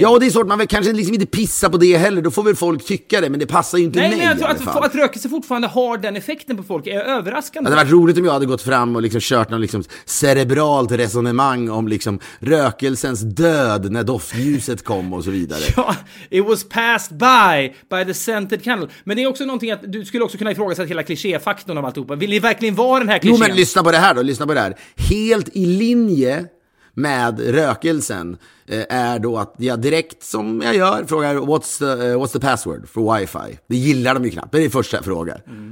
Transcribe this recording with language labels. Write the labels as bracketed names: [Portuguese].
[Swedish] Ja, och det är svårt, man vill kanske liksom inte pissa på det heller, då får väl folk tycka det, men det passar ju inte. Nej, mig. Nej, men att röka sig fortfarande har den effekten på folk är överraskande. Det hade varit roligt om jag hade gått fram och liksom kört någon liksom cerebralt resonemang om liksom rökelsens död när doftljuset kom och så vidare. [English] Ja, it was passed by the scented candle. [Swedish] Men det är också någonting att du skulle också kunna ifrågasätta hela klischéfaktorn av alltihopa. Vill ni verkligen vara den här klischén? Jo, men lyssna på det här då, lyssna på det här. Helt i linje med rökelsen är då att jag direkt, som jag gör, frågar [English] what's the password for wifi? [Swedish] Det gillar de ju knappt, det är första jag frågar.